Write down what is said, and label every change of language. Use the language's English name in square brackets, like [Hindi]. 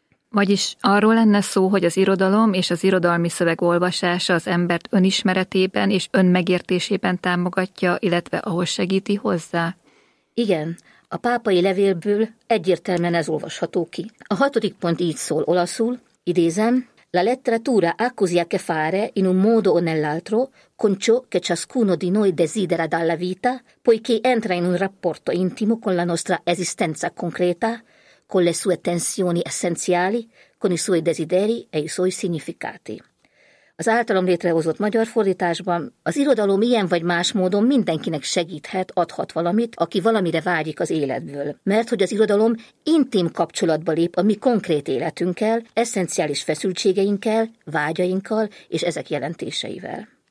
[Hungarian] Vagyis arról lenne szó, hogy az irodalom és az irodalmi szöveg olvasása az embert önismeretében és önmegértésében támogatja, illetve ahhoz segíti hozzá? Igen, a pápai levélből egyértelműen ez olvasható ki. A 6. pont így szól olaszul, idézem, [Italian] La letteratura ha così a che fare, in un modo o nell'altro, con ciò che ciascuno di noi desidera dalla vita, poiché entra in un rapporto intimo con la nostra esistenza concreta, con le sue tensioni essenziali, con i suoi desideri e i suoi significati. [Hungarian] Az általam létrehozott magyar fordításban az irodalom ilyen vagy más módon mindenkinek segíthet, adhat valamit, aki valamire vágyik az életből. Mert hogy az irodalom intim kapcsolatba lép a mi konkrét életünkkel, esszenciális feszültségeinkkel, vágyainkkal és ezek jelentéseivel.